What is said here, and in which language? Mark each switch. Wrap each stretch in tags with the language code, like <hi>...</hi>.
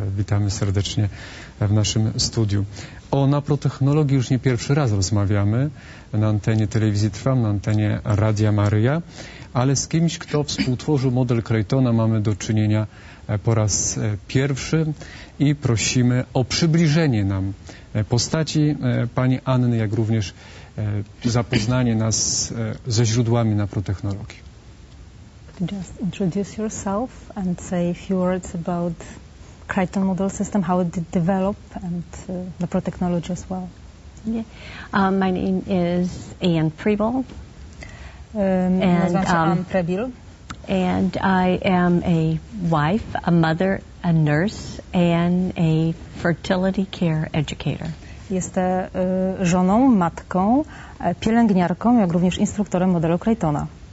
<pl>Witamy serdecznie w naszym studiu. O naprotechnologii już nie pierwszy raz rozmawiamy na antenie telewizji Trwam, na antenie Radia Maryja, ale z kimś, kto współtworzył model Crichtona, mamy do czynienia po raz pierwszy i prosimy o przybliżenie nam postaci pani Anny, jak również zapoznanie nas ze źródłami naprotechnologii.</pl> <en>Just introduce yourself and say a few words about Crichton model system, how it did develop, and the naprotechnology as well. Yeah. My name is Anne Prebil. Anne Prebil. And I am a wife, a mother, a nurse, and a fertility care educator.</en> <pl>Jestem żoną, matką, pielęgniarką, jak również instruktorem modelu Crichtona.</pl>